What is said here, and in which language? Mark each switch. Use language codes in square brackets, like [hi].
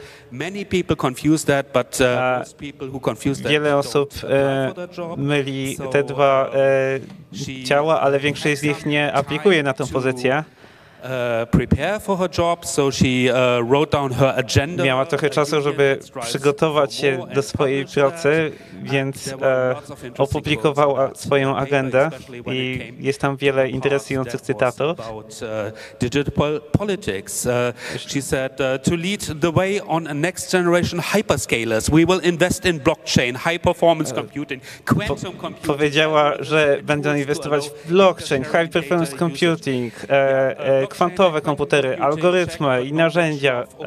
[en] Many people confuse that, but most people who confuse that. [pl] Wiele osób myli te dwa ciała, ale większość z nich nie aplikuje na tę pozycję. [en] Prepare for her job, so she wrote down her agenda. [pl] Miała trochę czasu, żeby przygotować się do swojej pracy, więc opublikowała swoją agendę i jest tam wiele interesujących cytatów. [en] Digital politics. She said to lead the way on next generation hyperscalers. We will invest in blockchain, high performance computing, quantum computing. [pl] Powiedziała, że będą inwestować w blockchain, high performance computing, kwantowe komputery, algorytmy i narzędzia.